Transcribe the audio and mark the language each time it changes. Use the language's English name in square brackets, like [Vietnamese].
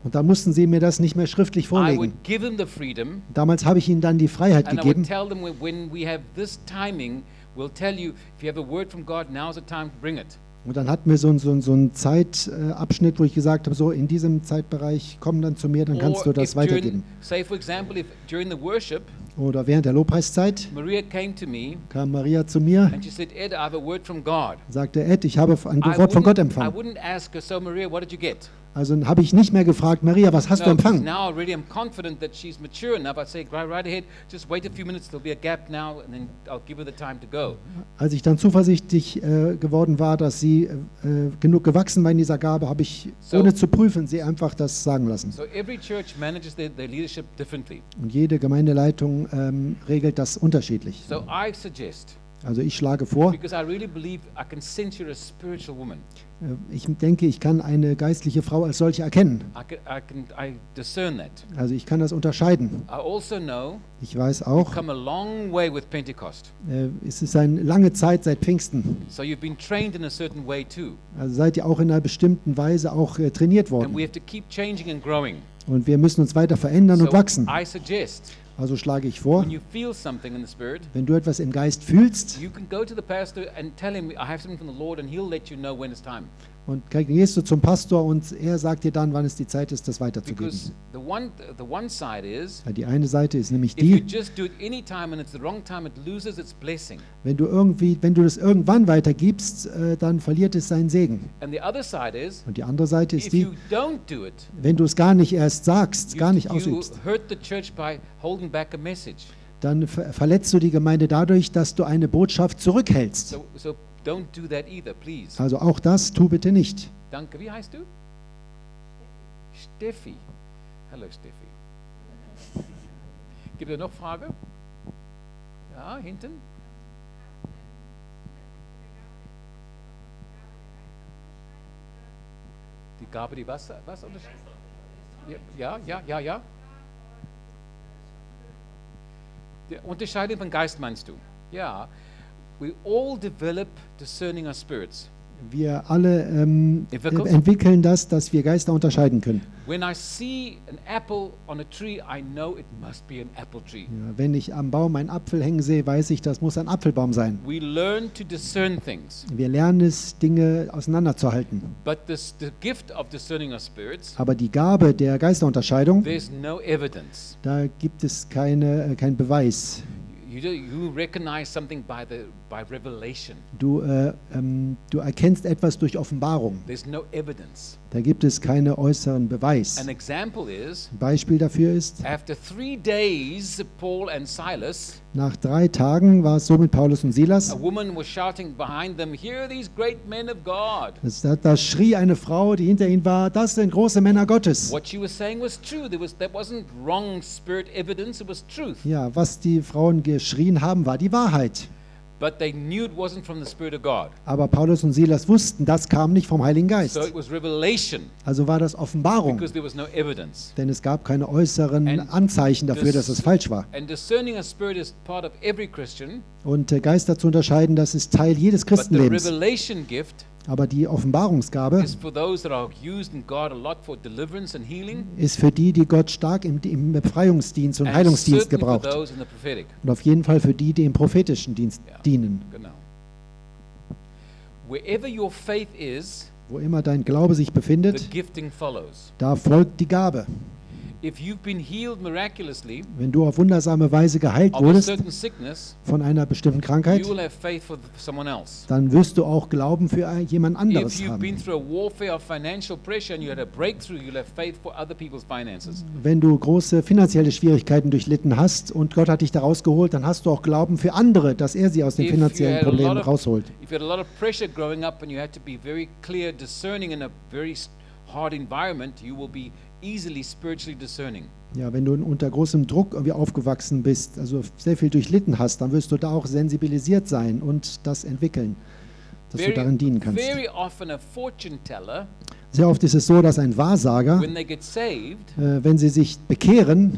[German] Und da mussten sie mir das nicht mehr schriftlich vorlegen. [English] I would give them the freedom, [German] damals habe ich ihnen dann die Freiheit gegeben. [English] We tell them when we have this timing, we'll tell you if you have a word from God, now's the time to bring it. [German] Und dann hatten wir so einen Zeitabschnitt, wo ich gesagt habe, so in diesem Zeitbereich komm dann zu mir, dann kannst du das weitergeben. [English] Say for example, if during the worship, [German] oder während der Lobpreiszeit, [English] Maria came to me, [German] kam Maria zu mir [English] and she said, Ed, I have a word from God. [German] Sagte, Ed, ich habe ein Wort von Gott empfangen. [English] I wouldn't ask her, so Maria, what did you get? [German] Also habe ich nicht mehr gefragt, Maria, was hast du empfangen? [English] Now already I'm confident that she's mature enough. I say, right ahead, just wait a few minutes, there'll be a gap now, and then I'll give her the time to go. [German] Als ich dann zuversichtlich geworden war, dass sie genug gewachsen war in dieser Gabe, habe ich, ohne zu prüfen, sie einfach das sagen lassen. [English] So every church manages their leadership differently. [German] Und jede Gemeindeleitung regelt das unterschiedlich. [English] So I suggest, [German] also ich schlage vor, [English] because I really believe I can sense you're a spiritual woman. [German] Ich denke, ich kann eine geistliche Frau als solche erkennen. [English] I discern that. [German] Also ich kann das unterscheiden. [English] I also know, [German] ich weiß auch, [English] you've come a long way with Pentecost. [German] Es ist eine lange Zeit seit Pfingsten. [English] So you've been trained in a certain way too. [German] Also seid ihr auch in einer bestimmten Weise auch trainiert worden. [English] And we have to keep changing and growing. [German] Und wir müssen uns weiter verändern und wachsen. [English] I suggest, [German] also schlage ich vor, [English] when you feel something in the spirit, [German] wenn du etwas im Geist fühlst, [English] you can go to the pastor and tell him I have something from the Lord and he'll let you know when it's time. [German] Und gehst du zum Pastor und er sagt dir dann, wann es die Zeit ist, das weiterzugeben. [English] Because the one side is, [German] ja, die eine Seite ist nämlich die, wenn du das irgendwann weitergibst, dann verliert es seinen Segen. [English] And the other side is, [German] und die andere Seite ist die, [English] if you don't do it, [German] wenn du es gar nicht erst sagst, gar nicht ausübst, [English] you hurt the church by holding back a message. [German] Dann verletzt du die Gemeinde dadurch, dass du eine Botschaft zurückhältst. [English] So don't do that either, please. [German] Also auch das tu bitte nicht. Danke. Wie heißt du? Steffi. Hallo Steffi. Gibt es noch Frage? Ja, hinten. Die Gabe, die Wasser, was unterscheidet? Ja. Die Unterscheidung von Geist meinst du? Ja. [English] We all develop discerning our spirits. [German] Wir alle entwickeln das, dass wir Geister unterscheiden können. [English] When I see an apple on a tree, I know it must be an apple tree. [German] Ja, wenn ich am Baum einen Apfel hängen sehe, weiß ich, das muss ein Apfelbaum sein. [English] We learn to discern things. [German] Wir lernen es, Dinge auseinanderzuhalten. [English] But the gift of discerning our spirits. [German] Aber die Gabe der Geisterunterscheidung. [English] There's no evidence. [German] Da gibt es kein Beweis. [English] You recognize something by revelation. [German] Du erkennst etwas durch Offenbarung. [English] There's no evidence. [German] Da gibt es keinen äußeren Beweis. [English] An example is, [German] Beispiel dafür ist, [English] after 3 days, Paul and Silas, [German] nach 3 Tagen war es so mit Paulus und Silas, [English] a woman was shouting behind them, "Here are these great men of God." [German] Da schrie eine Frau, die hinter ihnen war, das sind große Männer Gottes. [English] What she was saying was true. That wasn't wrong spirit evidence, it was truth. [German] Ja, was die Frauen geschrien haben, war die Wahrheit. [English] But they knew it wasn't from the Spirit of God. [German] Aber Paulus und Silas wussten, das kam nicht vom Heiligen Geist. [English] So it was revelation. [German] Also war das Offenbarung. [English] Because there was no evidence. [German] Denn es gab keine äußeren Anzeichen dafür, dass es falsch war. [English] And discerning a spirit is part of every Christian. [German] Und Geister zu unterscheiden, das ist Teil jedes Christenlebens. [English] But the revelation gift, [German] aber die Offenbarungsgabe [English] is for those that are used in God a lot for deliverance and healing, [German] ist für die, die Gott stark im Befreiungsdienst und Heilungsdienst gebraucht. Und auf jeden Fall für die, die im prophetischen Dienst dienen. [English] Genau. Wherever your faith is, [German] wo immer dein Glaube sich befindet, [English] the gifting follows. [German] Da folgt die Gabe. [English] If you've been healed miraculously, [German] wenn du auf wundersame Weise geheilt wurdest [English] sickness, [German] von einer bestimmten Krankheit, [English] you will have faith for someone else. [German] Dann wirst du auch Glauben für jemand anderes [English] if you've [German] haben. [English] Been through a warfare of financial pressure and you had a breakthrough, you'll have faith for other people's finances. [German] Wenn du große finanzielle Schwierigkeiten durchlitten hast und Gott hat dich da rausgeholt, dann hast du auch Glauben für andere, dass er sie aus den finanziellen Problemen rausholt. [English] If you had a lot of pressure growing up and you had to be very clear, discerning in a very hard environment, you will be easily spiritually discerning. [German] Ja, wenn du unter großem Druck irgendwie aufgewachsen bist, also sehr viel durchlitten hast, dann wirst du da auch sensibilisiert sein und das entwickeln, dass du darin dienen kannst. [English] Very often a fortune teller, [German] sehr oft ist es so, dass ein Wahrsager, [English] when they get saved, [German] wenn sie sich bekehren,